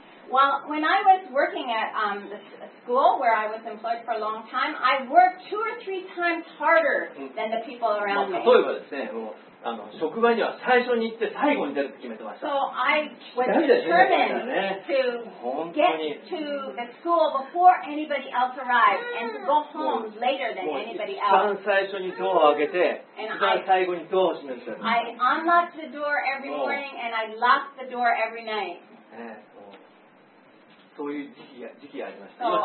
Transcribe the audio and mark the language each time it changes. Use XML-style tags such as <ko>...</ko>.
<en>Well, when I was working at the school where I was employed for a long time, I worked two or three times harder than the people around me.</en> <ja>例えばですね、職場には最初に行って最後に出るって決めてました。</ja> <en>So I was determined to get to the school before anybody else arrived and to go home later than anybody else.</en> <ja>一番最初にドアを開けて、一番最後にドアを閉めて。</ja> <en>I unlocked the door every morning and I locked the door every night.</en> <ja>そういう時期がありました。</ja>